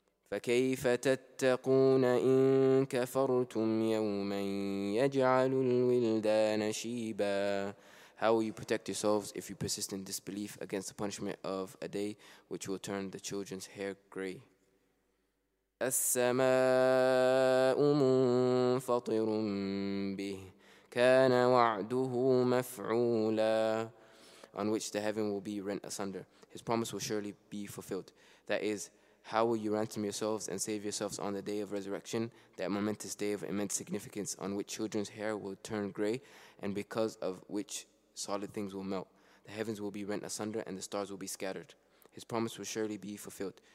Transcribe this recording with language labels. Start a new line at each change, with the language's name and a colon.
Arabic: فَكَيْفَ تَتَّقُونَ إِن كَفَرْتُمْ يَوْمًا يَجْعَلُ الْوِلْدَانَ شِيبًا.
English: How will you protect yourselves if you persist in disbelief against the punishment of a day which will turn the children's hair gray?
Arabic: السَّمَاءُ مُنْفَطِرٌ بِهِ كَانَ وَعْدُهُ مَفْعُولًا.
English: On which the heaven will be rent asunder. His promise will surely be fulfilled. That is, how will you ransom yourselves and save yourselves on the day of resurrection, that momentous day of immense significance on which children's hair will turn gray and because of which solid things will melt. The heavens will be rent asunder and the stars will be scattered. His promise will surely be fulfilled.